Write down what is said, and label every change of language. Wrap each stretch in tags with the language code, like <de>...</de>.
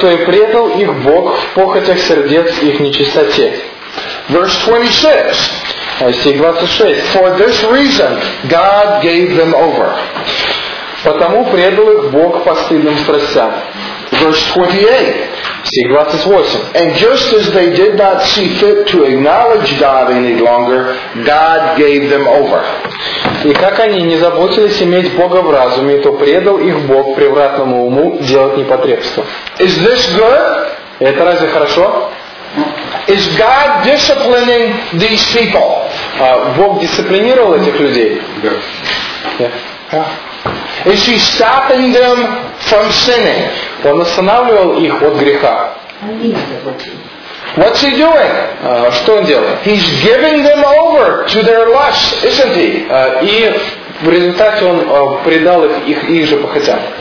<ru>То и предал их Бог в похотях сердец их нечистоте.</ru> <en>Verse 26.</en> <ru>Стих 26.</ru> <en>For this reason God gave them over.</en> <ru>Потому предал их Бог постыдным страстям.</ru> <en>Verse 28.</en> <ru>Стих 28.</ru> <en>And just as they did not see fit to acknowledge God any longer, God gave them over.</en> <ru>И как они не заботились иметь Бога в разуме, то предал их Бог превратному уму делать непотребство.</ru> <en>Is this good?</en> <ru>Это разве хорошо?</ru> <en>Is God disciplining these people?</en> <ru>Бог дисциплинировал этих людей? Да.</ru> <en>Yeah. Is he stopping them from sinning?</en> <ru>Он останавливал их от греха.</ru> <en>What's he doing?</en> <ru>Что он делает?</ru> <en>He's giving them over to their lust, isn't he?</en> <ru>И в результате он предал их же похотям.</ru>